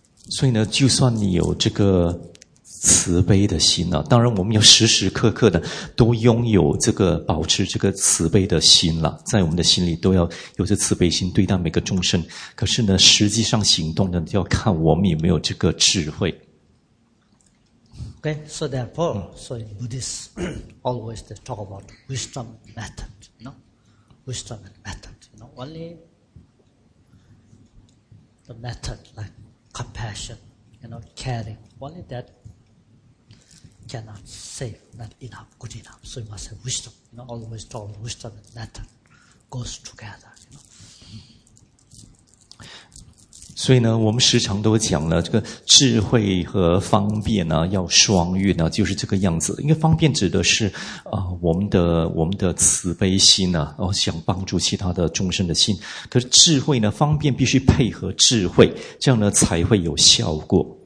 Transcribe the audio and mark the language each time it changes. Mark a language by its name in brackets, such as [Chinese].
[Chinese] 所以呢，就算你有这个慈悲的心了，当然我们要时时刻刻的都拥有这个保持这个慈悲的心了，在我们的心里都要有这慈悲心对待每个众生。可是呢，实际上行动呢，就要看我们有没有这个智慧。 [English] Okay, so therefore, so in Buddhists always they talk about wisdom and method, you know? Wisdom and method, you know? Only the method like compassion, you know, caring, only that cannot save, not enough, good enough. So you must have wisdom, you know? Always talk about wisdom and method goes together, you know? [Chinese] 所以呢，我们时常都讲了，这个智慧和方便呢，要双运呢，就是这个样子。因为方便指的是，我们的慈悲心呢，想帮助其他的众生的心。可是智慧呢，方便必须配合智慧，这样呢才会有效果。